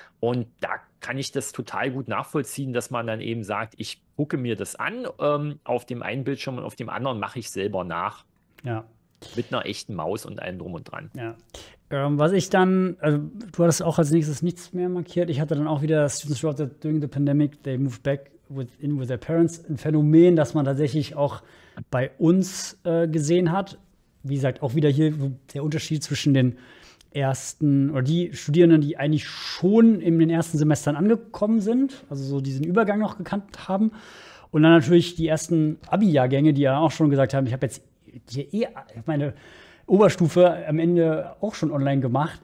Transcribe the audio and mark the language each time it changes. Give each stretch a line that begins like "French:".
German: Und da kann ich das total gut nachvollziehen, dass man dann eben sagt, ich gucke mir das an auf dem einen Bildschirm und auf dem anderen mache ich selber nach. Ja. Mit einer echten Maus und allem drum und dran. Ja. Was ich dann, also du hattest auch als nächstes nichts mehr markiert. Ich hatte dann auch wieder
English: Students throughout during the pandemic, they moved back in with their parents.
German: Ein Phänomen, das man tatsächlich auch bei uns gesehen hat. Wie gesagt, auch wieder hier der Unterschied zwischen den ersten oder die Studierenden, die eigentlich schon in den ersten Semestern angekommen sind, also so diesen Übergang noch gekannt haben. Und dann natürlich die ersten Abi-Jahrgänge, die ja auch schon gesagt haben, ich habe jetzt meine Oberstufe am Ende auch schon online gemacht.